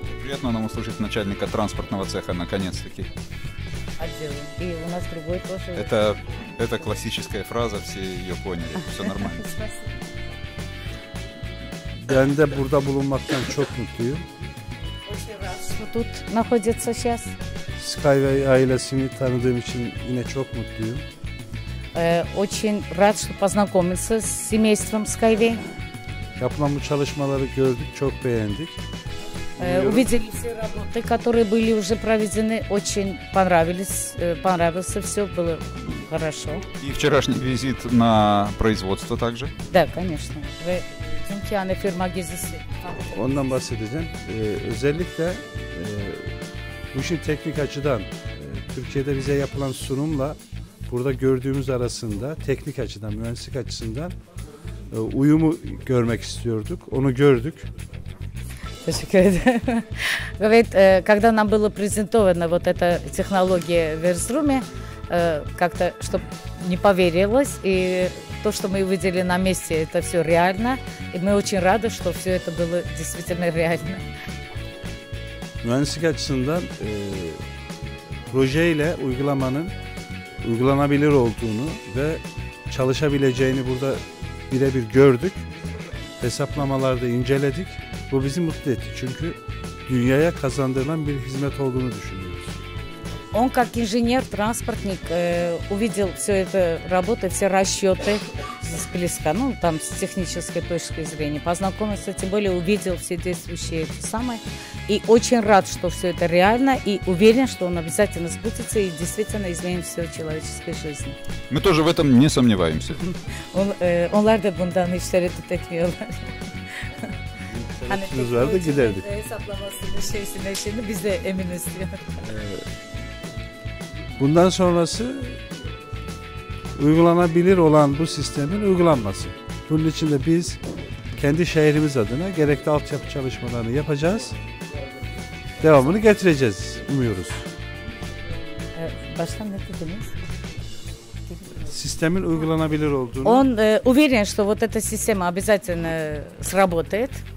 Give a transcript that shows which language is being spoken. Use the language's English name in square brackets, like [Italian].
[Russian] Приятно нам услышать начальника транспортного цеха, наконец-таки. Отдела. И у нас другой тоже. Это классическая фраза, все ее поняли, все нормально. [Turkish] Ben de burada bulunmaktan çok mutluyum. [Russian] Что тут находится сейчас? [Turkish] Skyway ailesini tanıdığım için yine çok mutluyum. [Russian] Очень рад, что познакомился с семейством Skyway. [Turkish] Yapılan bu çalışmaları gördük, çok beğendik. [Russian] Увидели все работы, которые были уже проведены, очень понравилось все, было хорошо. И вчерашний визит на производство также? Да, конечно. [Turkish] Ve dünkü yani firma gezisi. Ondan bahsedeceğim. Özellikle bu işin teknik açıdan Türkiye'de bize yapılan sunumla burada gördüğümüz arasında teknik açıdan, mühendislik açısından uyumu görmek istiyorduk. Onu gördük. Teşekkür ederim. Evet, [Russian] когда нам было презентовано вот эта технология в Эрзуруме, как-то чтоб не поверилось, и то, что мы увидели на месте, это все реально, и мы очень рады, что все это было действительно реально. [Turkish] Mühendislik açısından projeyle uygulamanın uygulanabilir olduğunu ve çalışabileceğini burada birebir gördük. Hesaplamalarda inceledik. Bu bizi mutlu etti çünkü dünyaya kazandırılan bir hizmet olduğunu düşünüyoruz. [Russian] Он как инженер, транспортник увидел все это работы, все расчеты с близко, ну там с технической точки зрения, познакомился, тем более увидел все действующие это самое и очень рад, что все это реально и уверен, что он обязательно сбудется и действительно изменит все человеческой жизни. Мы тоже в этом не сомневаемся. [Turkish] Onlar da bundan hiç tereddüt etmiyorlar. Biz var da giderdik. Hesaplamasını şeysine biz de eminiz Bundan sonrası uygulanabilir olan bu sistemin uygulanması. Bunun için de biz kendi şehrimiz adına gerekli altyapı çalışmalarını yapacağız. Devamını getireceğiz umuyoruz. Başkan ne dediniz? Sistemin uygulanabilir olduğunu. [Russian] Он уверен, что вот эта система обязательно сработает.